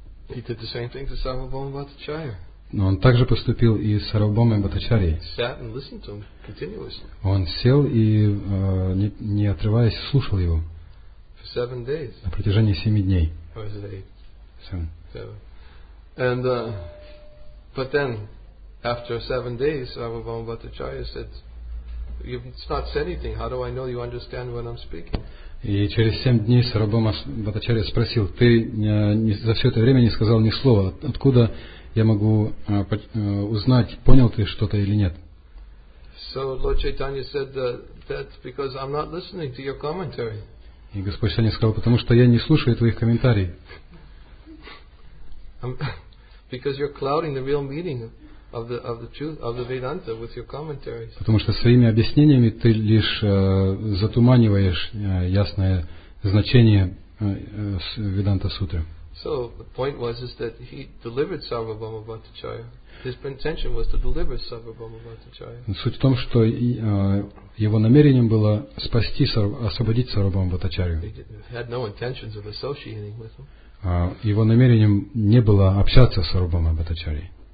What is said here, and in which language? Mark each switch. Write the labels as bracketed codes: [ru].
[en] He did the same thing to Sarvabhauma Bhattacharya. [ru] Но он также поступил и с Сарвабхаумой Бхаттачарьей. [en] Sat and listened to him continuously. [ru] Он сел и, не отрываясь, слушал его. [en] For 7 days. [ru] На протяжении 7 дней. [en] Or is it 8? Seven. And but then after 7 days Sarvabhauma Bhattacharya said, you've not said anything, how do I know you understand what I'm speaking? [ru] И через 7 дней Сарвабхаума Бхаттачарья спросил, ты за все это время не сказал ни слова, откуда я могу узнать, понял ты что-то или нет? [en] So Lord Chaitanya said that because I'm not listening to your commentary. [ru] И Господь Чайтанья сказал, потому что я не слушаю твоих комментариев. [en] Because you're clouding the real meaning of the truth of the Vedanta with your commentaries. [ru] Потому что своими объяснениями ты лишь затуманиваешь ясное значение Веданта Сутры. [en] So the point was is that he delivered Sarvabhauma Bhattacharya. His intention was to deliver Sarvabhauma Bhattacharya. [ru] Суть в том, что его намерением было спасти, освободить Сарвабхаума Бхаттачарью. [en] He had no intentions of associating with him. [ru] Его намерением не было общаться с Сарвабхаумой Бхаттачарьей.